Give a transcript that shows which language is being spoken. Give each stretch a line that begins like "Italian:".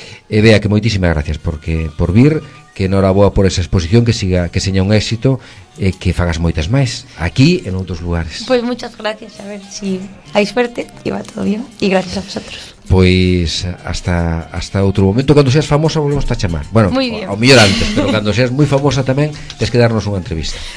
Galician: E Bea, que moitísimas gracias por vir. Que enhorabuena por esa exposición, que seña un éxito y que fagas moitas máis aquí en outros lugares.
Spanish: Pues muchas gracias, a ver si hai suerte y va todo bien, y gracias a vosotros.
Galician: Pues hasta outro momento, cando seas famosa volvemos a chamar. Bueno, ao mellor antes, pero cando seas moi famosa tamén tens que darnos unha entrevista.